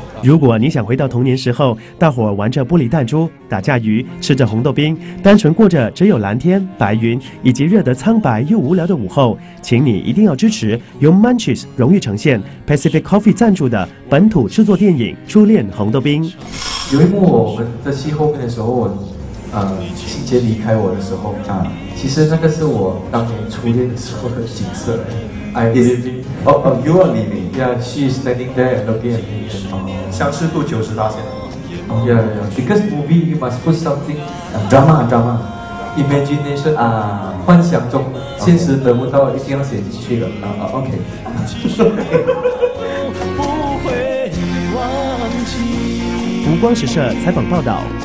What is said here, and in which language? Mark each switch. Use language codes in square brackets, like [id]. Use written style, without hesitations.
[zh] 如果你想回到童年时候，大伙玩着玻璃弹珠、打架鱼、吃着红豆冰，单纯过着只有蓝天白云以及热得苍白又无聊的午后，请你一定要支持由 Munchies 荣誉呈现 Pacific Coffee 赞助的本土制作电影《初恋红豆冰》。有一幕我们在戏后面的时候，心洁离开我的时候其实那个是我当年初恋的时候的景色。 [en] I'm leaving. Oh, oh, you are leaving. Yeah, she's standing there and looking at me. [zh] 相似度90%。 [en] Yeah, because movie you must put something drama imagination [zh] 幻想中、 [en] okay. [zh] 现实得不到一定要写进去的 [en] OK [zh] 不会忘记。吴光石社采访报道。